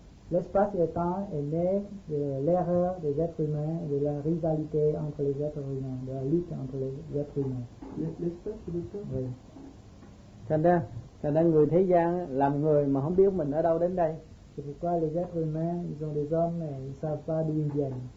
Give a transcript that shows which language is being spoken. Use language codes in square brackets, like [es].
[fr] L'espace et le temps est né de l'erreur des êtres humains, de la rivalité entre les êtres humains, de la lutte entre les êtres humains. L'espace et le temps? Oui. [vi] Thành ra người thế gian làm người mà không biết mình ở đâu đến đây. [fr] C'est pourquoi les êtres humains, ils ont des hommes et ils ne savent pas d'où ils viennent.